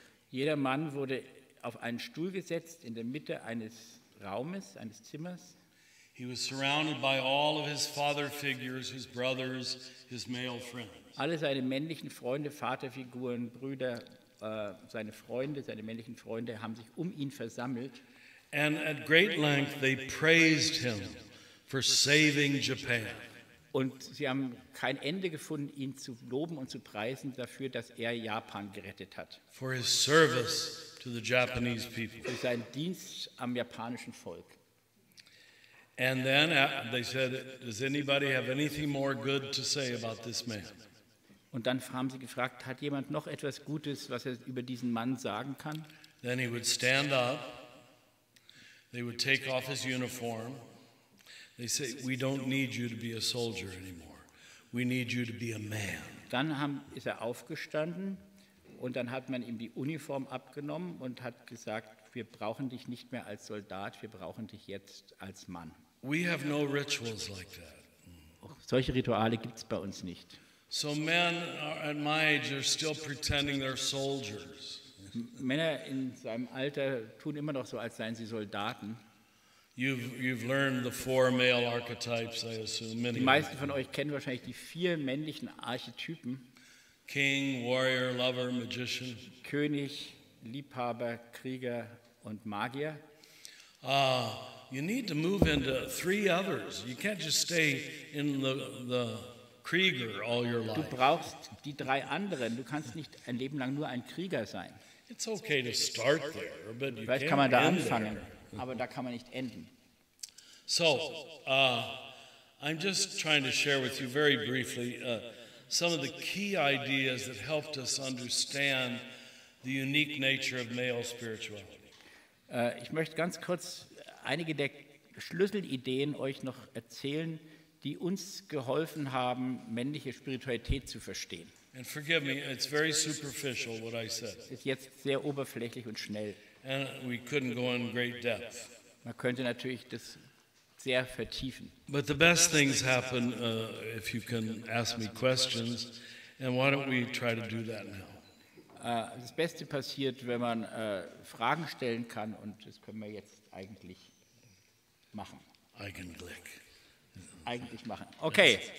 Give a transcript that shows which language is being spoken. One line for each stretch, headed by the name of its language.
German: Jeder Mann wurde auf einen Stuhl gesetzt in der Mitte eines Raumes, eines Zimmers.
English: He was surrounded by all of his father figures, his brothers, his male friends.
German: Alle seine männlichen Freunde, Vaterfiguren, Brüder, seine Freunde, seine männlichen Freunde haben sich um ihn versammelt.
English: And at great length they praised him for saving Japan.
German: Und sie haben kein Ende gefunden, ihn zu loben und zu preisen dafür, dass er Japan gerettet hat.
English: For his service to the Japanese people.
German: Für seinen Dienst am japanischen Volk.
English: And then they said, does anybody have anything more good to say about this man?
German: Und dann haben sie gefragt, hat jemand noch etwas Gutes, was er über diesen Mann sagen kann?
English: Then he would stand up. They would take off his uniform. They say, we don't need you to be a soldier anymore. We need you to be a man.
German: Dann ist er aufgestanden und dann hat man ihm die Uniform abgenommen und hat gesagt, wir brauchen dich nicht mehr als Soldat, wir brauchen dich jetzt als Mann.
English: We have no rituals like that.
German: Solche Rituale gibt es bei uns nicht.
English: So men at my age are still pretending they're soldiers.
German: Männer in seinem Alter tun immer noch so, als seien sie Soldaten.
English: You've learned the four male archetypes, I assume. Many
German: die meisten von euch kennen wahrscheinlich die vier männlichen Archetypen.
English: King, warrior, lover, magician.
German: König, Liebhaber, Krieger und Magier.
English: You need to move into three others. You can't just stay in the Krieger all your life.
German: Du brauchst die drei anderen. Du kannst nicht ein Leben lang nur ein Krieger sein.
English: It's okay to start there, but you
German: vielleicht kann man da anfangen, aber da kann man nicht enden.
English: So, I'm just trying to share with you very briefly some of the key ideas that helped us understand the unique nature of male spirituality.
German: Ich möchte ganz kurz einige der Schlüsselideen euch noch erzählen, die uns geholfen haben, männliche Spiritualität zu verstehen.
English: And forgive me, it's very superficial what I said.
German: Ist jetzt sehr oberflächlich und schnell.
English: And we couldn't go in great depth.
German: Man könnte natürlich das sehr vertiefen.
English: But the best things happen if you can ask me questions. And why don't we try to do that now?
German: Das Beste passiert, wenn man Fragen stellen kann, und das können wir jetzt eigentlich machen. Eigentlich. Eigentlich machen. Okay.